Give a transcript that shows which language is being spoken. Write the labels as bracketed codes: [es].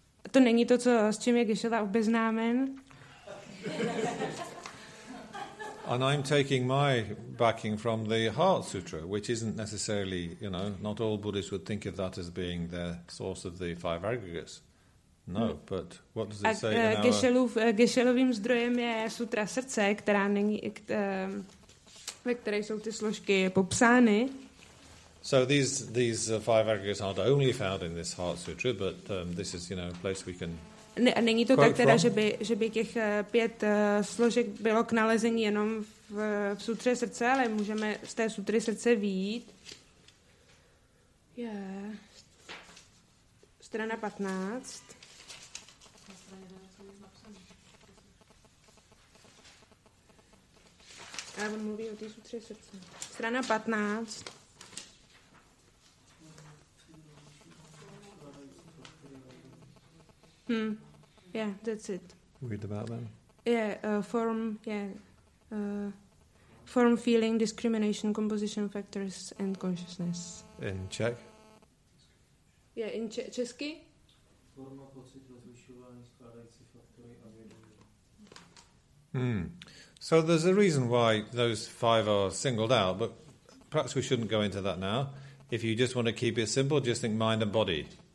[cs] To není to, s čím je Geshe-la obeznámen. [en] And I'm taking my backing from the Heart Sutra, which isn't necessarily, not all Buddhists would think of that as being the source of the five aggregates. No, but what does it say in our... [cs] Gešelovým zdrojem je sutra srdce, která není, ve které jsou ty složky popsány. [en] So these five aggregates aren't only found in this Heart Sutra, but this is, you know, a place we can [cs] Není to tak teda, že by těch pět složek bylo k nalezení jenom v sutře srdce, ale můžeme z té sutry srdce vyjít. Yeah. Strana 15. Ale on mluví o té sutře srdce. Strana 15. [en] Yeah, that's it. Read about them. Yeah, form, feeling, discrimination, composition factors, and consciousness. In Czech? Yeah, in Česky? [cs] Forma, pocit, rozlišování, skládající faktory a vědomí. [en] So there's a reason why those five are singled out, but perhaps we shouldn't go into that now. If you just want to keep it simple, just think mind and body.